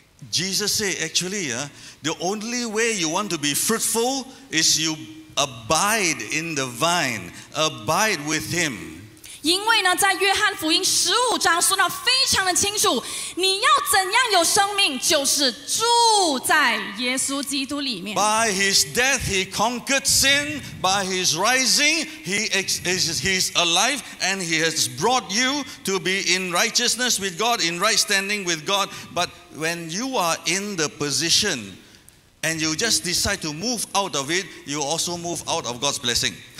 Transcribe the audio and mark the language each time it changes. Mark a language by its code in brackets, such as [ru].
[en] Jesus said, actually, the only way you want to be fruitful is you abide in the vine, abide with him. [zh] 因为呢, 在约翰福音15章说得非常的清楚, 你要怎样有生命, 就是住在耶稣基督里面。 [en] By his death, he conquered sin. By his rising, he's alive, and he has brought you to be in righteousness with God, in right standing with God. But when you are in the position and you just decide to move out of it, you also move out of God's blessing.